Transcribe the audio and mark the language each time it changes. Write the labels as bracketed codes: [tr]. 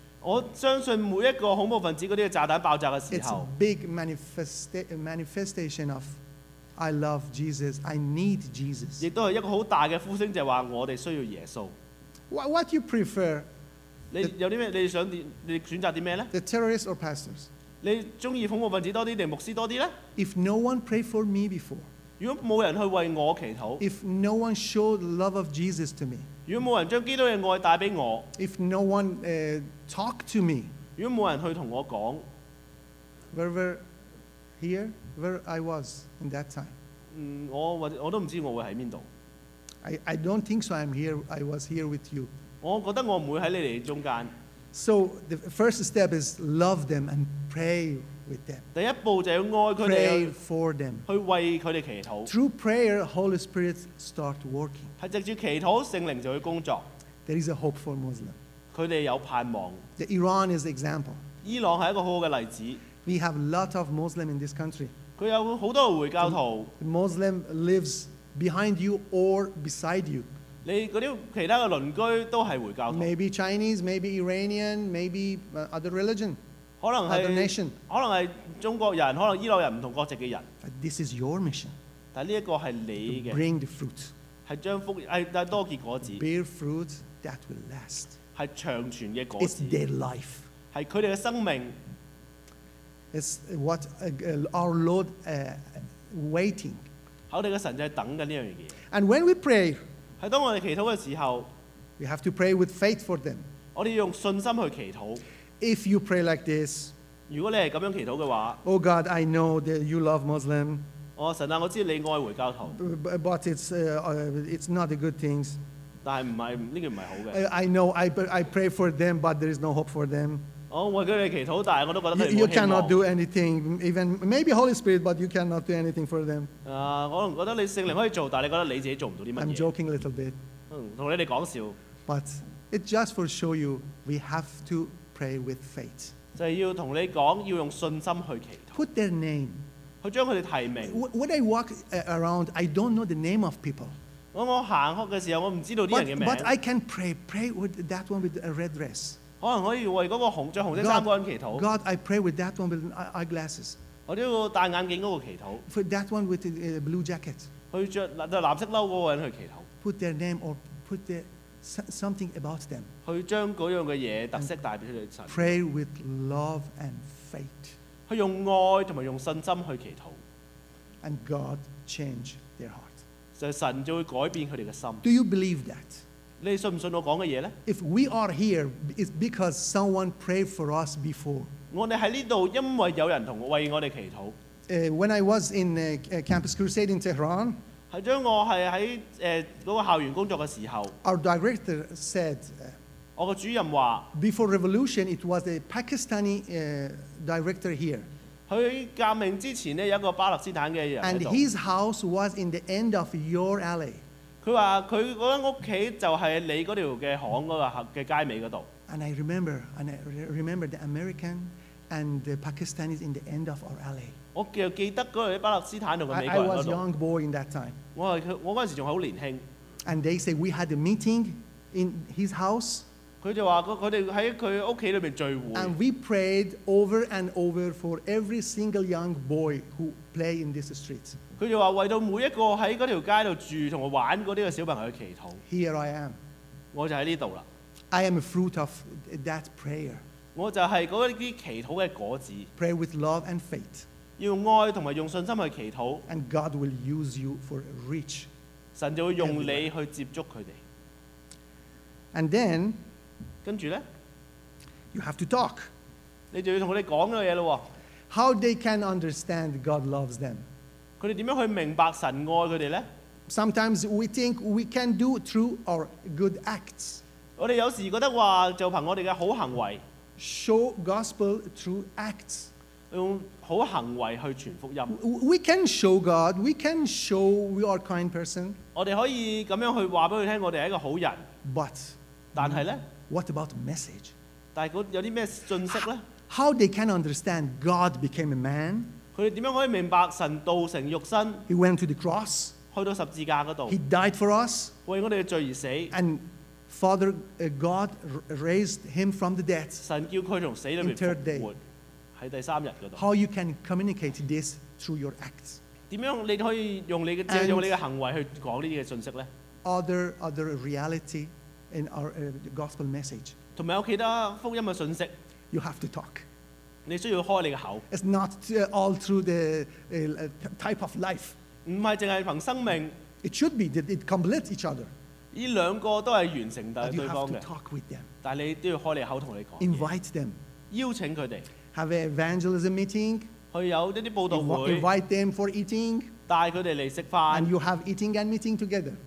[yue] 我相信每一個恐怖分子嗰啲炸彈爆炸嘅時候。 [en] It's a big manifestation of I love Jesus. I need Jesus. [yue] 亦都係一個好大嘅呼聲，就係話我哋需要耶穌。 [en] What you prefer? [yue] 你有啲咩？你想點？你選擇啲咩咧 [en] ？The terrorists or pastors? [yue] 你中意恐怖分子多啲定牧師多啲咧 [en] ？If no one prayed for me before， [yue] 如果冇人去為我祈禱 [en] ；If no one showed the love of Jesus to me， [yue] 如果冇人將基督嘅愛帶俾我 [en] ；If no one talked to me， [yue] 如果冇人去同我講 [en] ，Where here where I was in that time？ [yue] 我都唔知我會喺邊度。 [en] I don't think so. I'm here. I was here with you。 [yue] 我覺得我唔會喺你哋中間。 [en] So the first step is love them and pray with them. [yue] 第一步就要愛佢哋。 [en] Pray for them. [yue] 去為佢哋祈禱。 [en] Through prayer, Holy Spirit start working. [yue] 係藉住祈禱，聖靈就會工作。 [en] There is a hope for Muslim. [yue] 佢哋有盼望。 [en] The Iran is the example. [yue] 伊朗係一個好好嘅例子。 [en] We have a lot of Muslim in this country. [yue] 佢有好多回教徒。 [en] The Muslim lives behind you or beside you. Maybe Chinese, maybe Iranian, maybe other religion, other nation. [yue] 可能係中國人，可能伊朗人唔同國籍嘅人。 [en] But this is your mission. [yue] 但呢一個係你嘅。 [en] Bring the fruit. [yue] 係將福係帶多結果子。 [en] Bear fruit that will last. [yue] 係長存嘅果子。 [en] It's their life. [yue] 係佢哋嘅生命。 [en] It's what our Lord waiting. [yue] 我哋嘅神就係等緊呢樣嘢。 [en] And when we pray. [yue] 喺當我哋祈禱嘅時候 [en] ，we have to pray with faith for them。 [yue] 我哋用信心去祈禱。 [en] If you pray like this， [yue] 如果你係咁樣祈禱嘅話 [en] ，Oh God， I know that you love Muslim。 [yue] 哦，神啊，我知你愛回教徒。 [en] But it's not a good things。 [yue] 但係唔係呢個唔係好嘅。 [en] I know I pray for them， but there is no hope for them。 [yue] 哦，為佢哋祈禱，但係我都覺得佢冇希望。 [en] You cannot do anything， even maybe Holy Spirit， but you cannot do anything for them。 [yue] 我可能覺得你聖靈可以做，但係你覺得你自己做唔到啲乜嘢。 [en] I'm joking a little bit。 [yue] 同你哋講笑。 [en] But it's just for show you we have to pray with faith。 [yue] 就係要同你講，要用信心去祈禱。 [en] Put their name。 [yue] 去將佢哋提名。 [en] When I walk around, I don't know the name of people。 [yue] 我行開嘅時候，我唔知道啲人嘅名。 [en] But I can pray with that one with a red dress。 [yue] 可能可以為嗰個紅著紅色衫嗰個人祈禱。 [en] God, I pray with that one with eyeglasses。 [yue] 我呢個戴眼鏡嗰個祈禱。 [en] For that one with the blue jacket。 [yue] 去著藍色褸嗰個人去祈禱。 [en] Put their name or put their something about them。 [yue] 去將嗰樣嘅嘢特色帶俾佢哋。 [en] Pray with love and faith。 [yue] 去用愛同埋用信心去祈禱。 [en] And God change their heart。 [yue] 就神就會改變佢哋嘅心。 [en] Do you believe that? [yue] 你信唔信我講嘅嘢咧 [en] ？If we are here, it's because someone prayed for us before. [yue] 我哋喺呢度，因為有人同為我哋祈禱。 [en] When I was in Campus Crusade in Tehran， [yue] 係將我係喺嗰個校園工作嘅時候。 [en] Our director said， [yue] 我個主任話 [en] ，Before revolution, it was a Pakistani director here。 [yue] 佢革命之前咧，有一個巴勒斯坦嘅人。 [en] And his house was in the end of your alley。 [yue] 佢話佢嗰間屋企就係你嗰條嘅巷嗰個嘅街尾嗰度。 [en] And I remember, the American and the Pakistanis in the end of our alley。 [yue] 我又記得嗰個巴勒斯坦同個美國人嗰度。 [en] I was young boy in that time。 [yue] 我嗰陣時仲係好年輕。 [en] And they say we had a meeting in his house。 [yue] 佢就話佢哋喺佢屋企裏邊聚會。 [en] And we prayed over and over for every single young boy who play in this street。 [yue] 佢就話為到每一個喺嗰條街度住同埋玩嗰啲嘅小朋友去祈禱。 [en] Here I am， [yue] 我就喺呢度啦。 [en] I am a fruit of that prayer， [yue] 我就係嗰啲祈禱嘅果子。 [en] Pray with love and faith， [yue] 要愛同埋用信心去祈禱。 [en] And God will use you for reach， [yue] 神就會用你去接觸佢哋。 [en] And then， [yue] 跟住咧 [en] ，you have to talk， [yue] 你就要同佢哋講嘅嘢咯。 [en] How they can understand God loves them？ [yue] 佢哋點樣去明白神愛佢哋咧 [en] ？Sometimes we think we can do through our good acts。 [yue] 我哋有時覺得話就憑我哋嘅好行為 [en] ，show gospel through acts， [yue] 用好行為去傳福音。 [en] We can show God， we can show we are kind person。 [yue] 我哋可以咁樣去話俾佢聽，我哋係一個好人。 [en] But， [yue] 但係咧 [en] ，what about the message？ [yue] 但係嗰有啲咩信息咧 [en] ？How they can understand God became a man？ [yue] 佢哋點樣可以明白神道成肉身 [en] ？He went to the cross， [yue] 去到十字架嗰度。 [en] He died for us， [yue] 為我哋嘅罪而死。 [en] And Father God raised him from the dead， [yue] 神叫佢從死裏面復活。喺第三日嗰度。 [en] How you can communicate this through your acts？ [yue] 點樣你可以用你嘅借用你嘅行為去講呢啲嘅信息咧 [en] ？Other reality in our gospel message， [yue] 同埋有其他福音嘅信息。 [en] You have to talk。 [yue] 你需要開你嘅口。 [en] It's not all through the type of life。 [yue] 唔係淨係憑生命。 [en] It should be that it completes each other。 [yue] 依兩個都係完成對方嘅。 [en] But you have to talk with them。 [yue] 但你都要開你口同你講。 [en] Invite them。 [yue] 邀請佢哋。 [en] Have an evangelism meeting。 [yue] 去有一啲報道會。 [en] Invite them for eating。 [yue] 帶佢哋嚟食飯。 [en] And you have eating and meeting together。